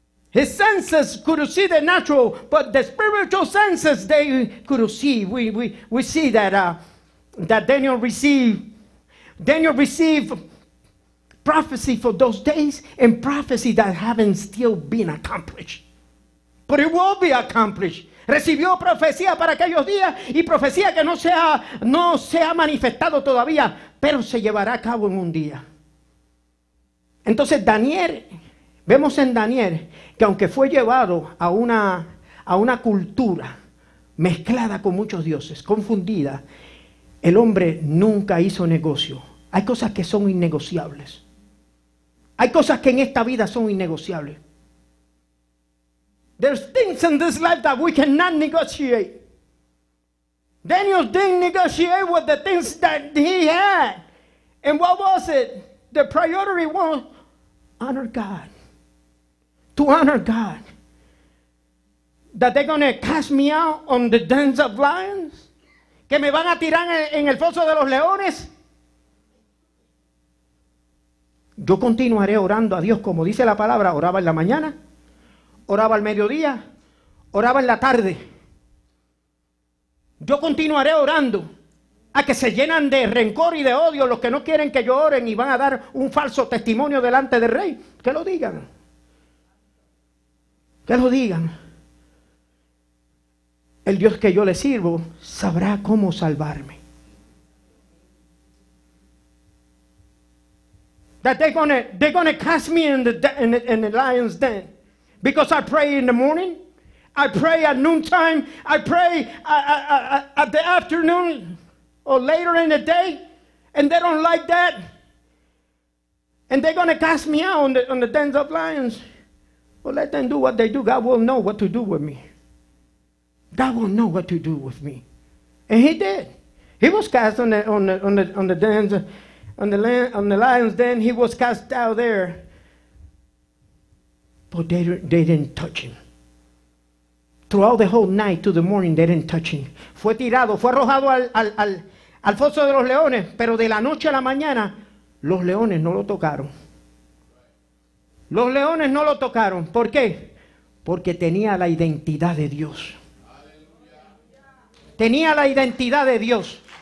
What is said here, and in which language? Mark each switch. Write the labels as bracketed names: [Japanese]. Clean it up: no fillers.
[English] His senses could see the natural, but the spiritual senses, they could see. We see that that Daniel received prophecy for those days and prophecy that haven't still been accomplished. But it will be accomplished. [Spanish] Recibió profecía para aquellos días y profecía que no se ha manifestado todavía, pero se llevará a cabo en un día. Entonces Daniel, vemos en Daniel que aunque fue llevado a una cultura mezclada con muchos dioses, confundida, el hombre nunca hizo negocio. Hay cosas que son innegociables. Hay cosas que en esta vida son innegociables. [English] There's things in this life that we cannot negotiate. Daniel didn't negotiate with the things that he had. And what was it? The priority was honor God. To honor God. That they're going to cast me out on the dens of lions? [Spanish] Que me van a tirar en el foso de los leones? Yo continuaré orando a Dios como dice la palabra. Oraba en la mañana, oraba al mediodía, oraba en la tarde. Yo continuaré orando a que se llenan de rencor y de odio los que no quieren que yo oren y van a dar un falso testimonio delante del rey. Que lo digan. Que lo digan. El Dios que yo le sirvo sabrá cómo salvarme. [English] That they're gonna cast me in the lion's den. Because I pray in the morning. I pray at noontime. I pray at the afternoon or later in the day. And they don't like that. And they're going to cast me out on the dens of lions. Well, let them do what they do. God will know what to do with me. God will know what to do with me. And he did. He was cast on the lion's den. He was cast out there. But they didn't touch him. Throughout the whole night to the morning, they didn't touch him. [Spanish] Fue tirado, fue arrojado al foso de los leones, pero de la noche a la mañana, los leones no lo tocaron. Los leones no lo tocaron. ¿Por qué? Porque tenía la identidad de Dios. Aleluya. Tenía la identidad de Dios.